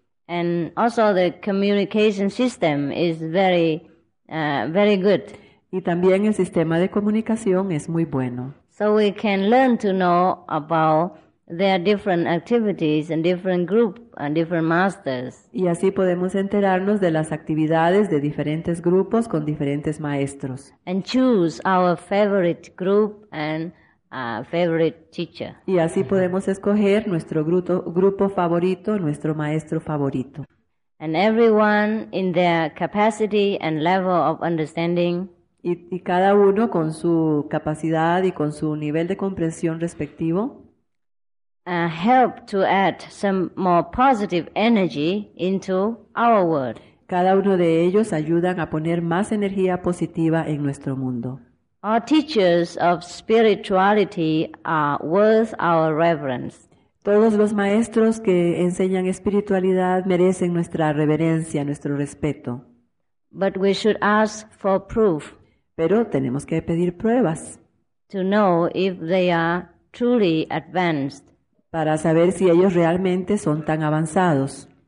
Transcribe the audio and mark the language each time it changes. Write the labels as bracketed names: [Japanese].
[English] And also the communication system is very very good. [Spanish] Y también el sistema de comunicación es muy bueno. [English] So we can learn to know about their different activities and different groups and different masters. [Spanish] Y así podemos enterarnos de las actividades de diferentes grupos con diferentes maestros. [English] And choose our favorite group and favorite teacher. [Spanish] Y así podemos escoger nuestro grupo favorito, nuestro maestro favorito. [English] And everyone in their capacity and level of understanding. [Spanish] Y cada uno con su capacidad y con su nivel de comprensión respectivo. [English] Help to add some more positive energy into our world. [Spanish] Cada uno de ellos ayudan a poner más energía positiva en nuestro mundo. [English] Our teachers of spirituality are worth our reverence. [Spanish] Todos los maestros que enseñan espiritualidad merecen nuestra reverencia, nuestro respeto. [English] But we should ask for proof. [Spanish] Pero tenemos que pedir pruebas. [English] To know if they are truly advanced. [Spanish] Para saber si ellos realmente son tan avanzados.